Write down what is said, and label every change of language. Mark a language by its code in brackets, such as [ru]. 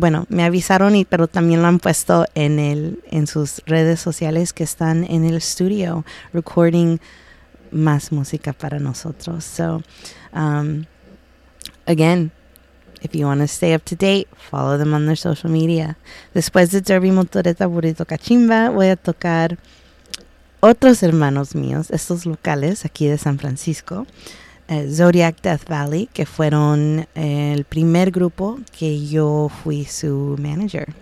[es] Me avisaron, pero también lo han puesto en sus redes sociales, que están en el estudio recording más música para nosotros. [en] Again, if you want to stay up to date, follow them on their social media. [es] Después de Derby Motoreta Burrito Cachimba, voy a tocar otros hermanos míos, estos locales aquí de San Francisco, Zodiac Death Valley, que fueron el primer grupo que yo fui su manager.